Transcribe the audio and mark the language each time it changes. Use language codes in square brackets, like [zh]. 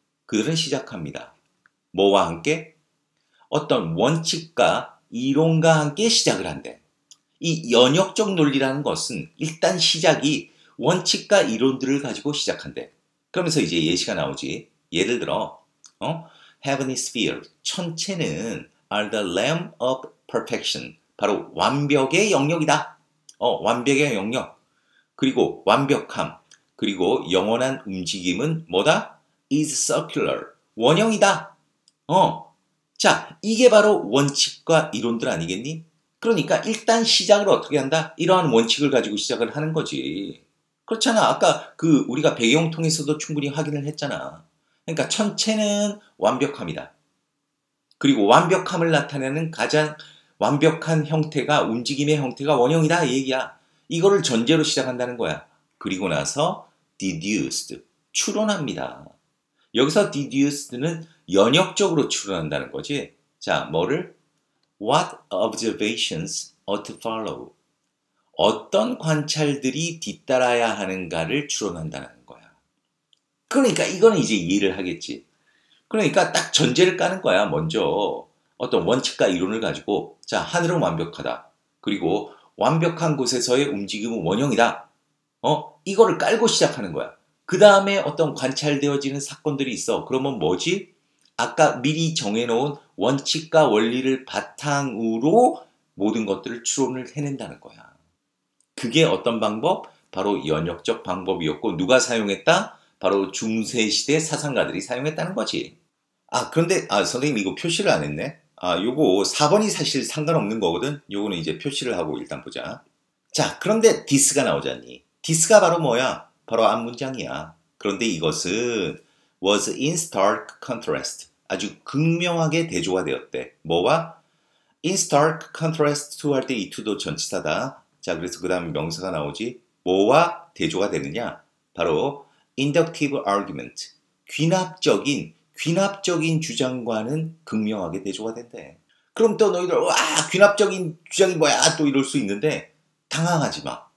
[ko] 그들은 시작합니다. 뭐와 함께? 어떤 원칙과 이론과 함께 시작을 한대. 이 연역적 논리라는 것은 일단 시작이 원칙과 이론들을 가지고 시작한대. 그러면서 이제 예시가 나오지. 예를 들어, 어? [en] Heavenly sphere, [ko] 천체는 [en] are the realm of perfection, [ko] 바로 완벽의 영역이다. 어, 완벽의 영역. 그리고 완벽함. 그리고 영원한 움직임은 뭐다? [en] is circular, [ko] 원형이다. 어, 자, 이게 바로 원칙과 이론들 아니겠니? 그러니까 일단 시작을 어떻게 한다? 이러한 원칙을 가지고 시작을 하는 거지. 그렇잖아. 아까 그 우리가 배경 통해서도 충분히 확인을 했잖아. 그러니까 천체는 완벽합니다. 그리고 완벽함을 나타내는 가장 완벽한 형태가 움직임의 형태가 원형이다 이 얘기야. 이거를 전제로 시작한다는 거야. 그리고 나서 deduced, 추론합니다. 여기서 deduced는 연역적으로 추론한다는 거지. 자, 뭐를? [en] What observations ought to follow? [ko] 어떤 관찰들이 뒤따라야 하는가를 추론한다는 거야. 그러니까 이거는 이제 이해를 하겠지. 그러니까 딱 전제를 까는 거야, 먼저. 어떤 원칙과 이론을 가지고, 자, 하늘은 완벽하다. 그리고 완벽한 곳에서의 움직임은 원형이다. 어? 이거를 깔고 시작하는 거야. 그 다음에 어떤 관찰되어지는 사건들이 있어. 그러면 뭐지? 아까 미리 정해놓은 원칙과 원리를 바탕으로 모든 것들을 추론을 해낸다는 거야. 그게 어떤 방법? 바로 연역적 방법이었고 누가 사용했다? 바로 중세시대 사상가들이 사용했다는 거지. 아, 그런데 아 선생님 이거 표시를 안 했네. 아, 요거 4번이 사실 상관없는 거거든. 요거는 이제 표시를 하고 일단 보자. 자, 그런데 디스가 나오잖니. 디스가 바로 뭐야? 바로 앞 문장이야. 그런데 이것은 [en] was in stark contrast. [ko] 아주 극명하게 대조가 되었대. 뭐와? [en] in stark contrast to [ko] 할 때 이 to도 전치사다. 자, 그래서 그 다음에 명사가 나오지. 뭐와 대조가 되느냐? 바로 [en] inductive argument. [ko] 귀납적인 주장과는 극명하게 대조가 된대. 그럼 또 너희들, 와, 귀납적인 주장이 뭐야? 또 이럴 수 있는데 당황하지 마.